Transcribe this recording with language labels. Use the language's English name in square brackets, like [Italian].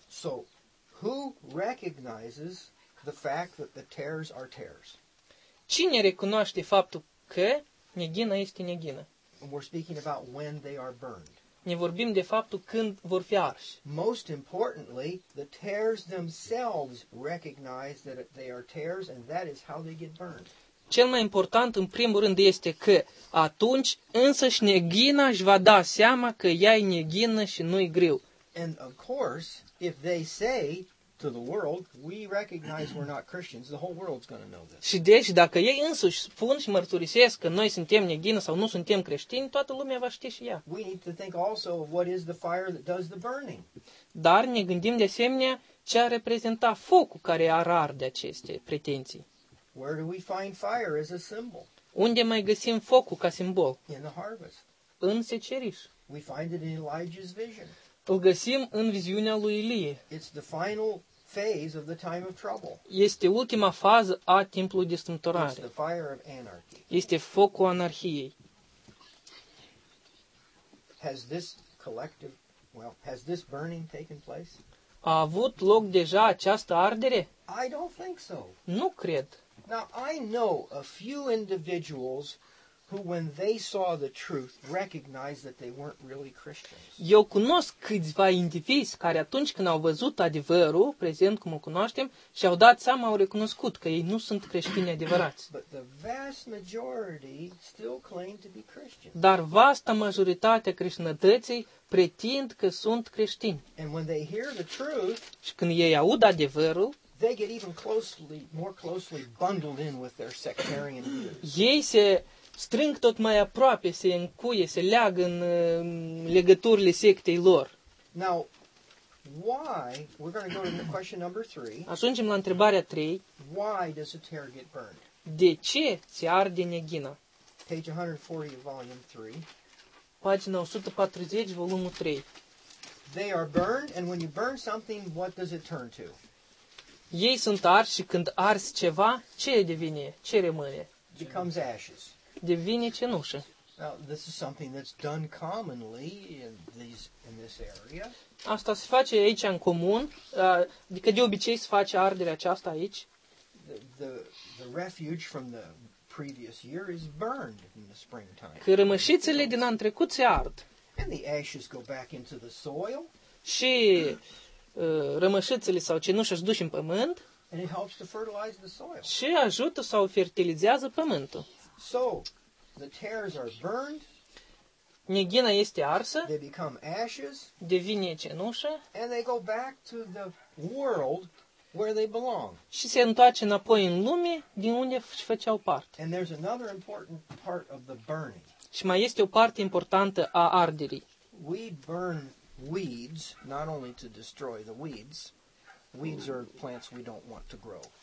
[English] So, who recognizes the fact that the tares are tares? [Romanian] Cine recunoaște faptul că neghina este neghina? [English] We're speaking about when they are burned. [Romanian] Ne vorbim de faptul când vor fi arși. [English] Most importantly, the tares themselves recognize that they are tares, and that is how they get burned. [Romanian] Cel mai important, în primul rând, este că atunci însăși neghina își va da seama că ea e neghină și nu e grâu. [English] And of course, if they say to the world, we recognize we're not Christians, the whole world's going to know this. [Romanian] Și deci, dacă ei însuși spun și mărturisesc că noi suntem neghină sau nu suntem creștini, toată lumea va ști și ea. [English] We need to think also of what is the fire that does the burning. [Romanian] Dar ne gândim de asemenea ce ar reprezenta focul care ar arde aceste pretenții. [English] Where do we find fire as a symbol? [Romanian] Unde mai găsim focul ca simbol? [English] In the harvest. [Romanian] În seceriș. [English] We find it in Elijah's vision. [Romanian] Îl găsim în viziunea lui Ilie. [English] It's the final phase of the time of trouble. [Romanian] Este ultima fază a timpului de strâmtorare. [English] It's the fire of anarchy. [Romanian] Este focul anarhiei. [English] Has this burning taken place? [Romanian] A avut loc deja această ardere? [English] I don't think so. [Romanian] Nu cred. [English] Now I know a few individuals who when they saw the truth recognized that they weren't really Christians. [Romanian] Eu cunosc câțiva indivizi care atunci când au văzut adevărul, prezent cum o cunoaștem, și au dat seama, au recunoscut că ei nu sunt creștini adevărați. [English] But the vast majority still claim to be Christians. [Romanian] Dar vasta majoritatea creștinătății pretind că sunt creștini. [English] And when they hear the truth, [Romanian] și când ei aud adevărul, [English] they get even more closely bundled in with their sectarian views. [Romanian] Ei se strâng tot mai aproape, se încuie, se leagă în legăturile sectei lor. [English] Now, why, we're going to go to question number 3. [Romanian] Ajungem la întrebarea 3. [English] Why does a tear get burned? [Romanian] De ce se arde neghina? [English] Page 140 of volume 3. [Romanian] Pagina 140, volumul 3. [English] They are burned, and when you burn something, what does it turn to? [Romanian] Ei sunt arși și când arzi ceva, ce devine? Ce rămâne? [English] Becomes ashes. [Romanian] Devine cenușă. [English] Now, this is something that's done commonly in this area. [Romanian] Asta se face aici în comun, adică de obicei se face arderea aceasta aici. [English] The refuge from the previous year is burned in the springtime. [Romanian] Că rămășițele din an trecut se ard. [English] And the ashes go back into the soil. [Romanian] Și rămășițele sau cenușa își duci în pământ [English] and it helps to fertilize the soil. [Romanian] Și ajută sau fertilizează pământul. [English] So, the tares are burned, [Romanian] neghina este arsă, [English] they become ashes, [Romanian] devine cenușă [English] and they go back to the world where they belong. [Romanian] Și se întoarce înapoi în lume din unde își făceau parte. [English] And there's another important part of the burning. [Romanian] Și mai este o parte importantă a arderii. [English] We burn weeds, not only to destroy the weeds. Weeds are plants we don't want to grow.